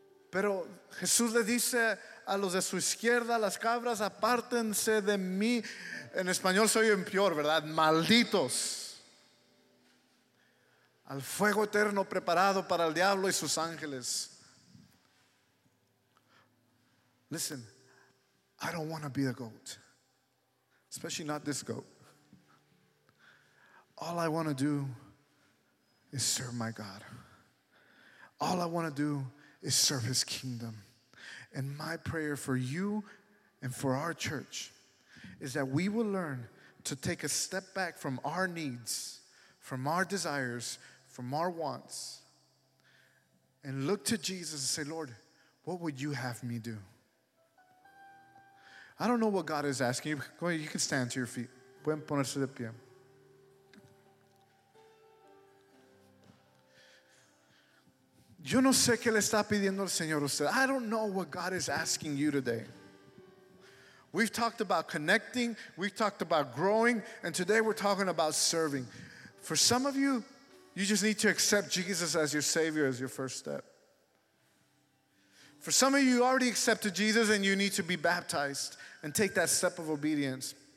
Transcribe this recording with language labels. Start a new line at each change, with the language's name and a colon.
Spanish: Pero Jesús le dice a los de su izquierda, las cabras, apártense de mí. En español soy en peor, ¿verdad? Malditos. Al fuego eterno preparado para el diablo y sus ángeles.
English: Listen, I don't want to be the goat. Especially not this goat. All I want to do is serve my God. All I want to do is serve his kingdom. And my prayer for you and for our church is that we will learn to take a step back from our needs, from our desires, from our wants, and look to Jesus and say, Lord, what would you have me do? I don't know what God is asking you. Go ahead, you can stand to your feet.
Spanish: Pueden ponerse de pie. Yo no sé qué le está pidiendo el Señor a usted.
English: I don't know what God is asking you today. We've talked about connecting. We've talked about growing. And today we're talking about serving. For some of you, you just need to accept Jesus as your Savior as your first step. For some of you, you already accepted Jesus and you need to be baptized and take that step of obedience.